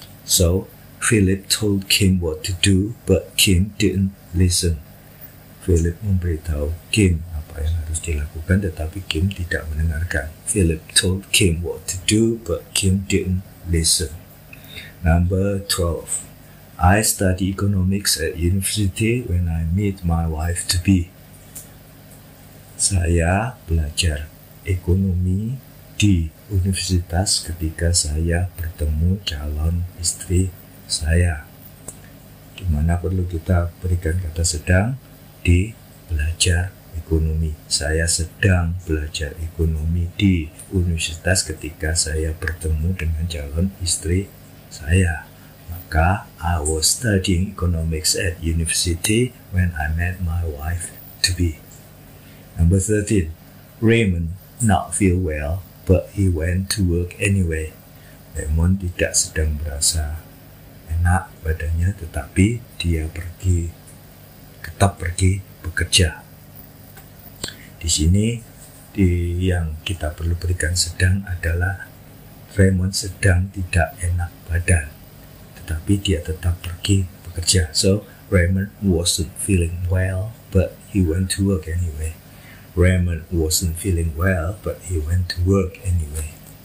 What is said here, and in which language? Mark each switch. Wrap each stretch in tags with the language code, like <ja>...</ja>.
<en>So, Philip told Kim what to do, but Kim didn't listen.</en> <id>Philip memberitahu Kim apa yang harus dilakukan, tetapi Kim tidak mendengarkan.</id> <en>Philip told Kim what to do, but Kim didn't listen. Number 12. I study economics at university when I meet my wife-to-be.</en> <id>Saya belajar ekonomi di universitas ketika saya bertemu calon istri saya. Di mana perlu kita berikan kata sedang? Di belajar ekonomi. Saya sedang belajar ekonomi di universitas ketika saya bertemu dengan calon istri saya.</id> <en>Maka, I was studying economics at university when I met my wife to be. Number 13. Raymond not feel well, but he went to work anyway.</en> <id>Raymond tidak sedang merasa enak badannya, tetapi dia pergi, tetap pergi bekerja. Di sini, yang kita perlu berikan sedang adalah Raymond sedang tidak enak badan, tetapi dia tetap pergi bekerja.</id> <en>So, Raymond wasn't feeling well, but he went to work anyway. Raymond wasn't feeling well, but he went to work anyway.</en>